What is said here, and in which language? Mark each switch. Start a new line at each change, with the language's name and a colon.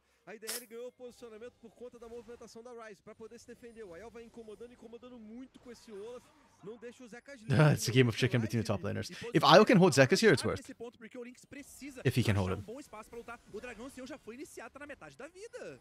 Portuguese: A IDL ganhou o posicionamento por conta da movimentação da Ryze para poder se defender. O Ayo vai incomodando, incomodando muito com esse Olaf. Não deixa o Zekas livre.
English: It's a game of chicken between the top laners. If Ayo can hold Zekas here, it's worth. If he can hold him.
Portuguese: Um bom espaço para lutar. O Dragão Senhor já foi iniciado, tá na metade da vida.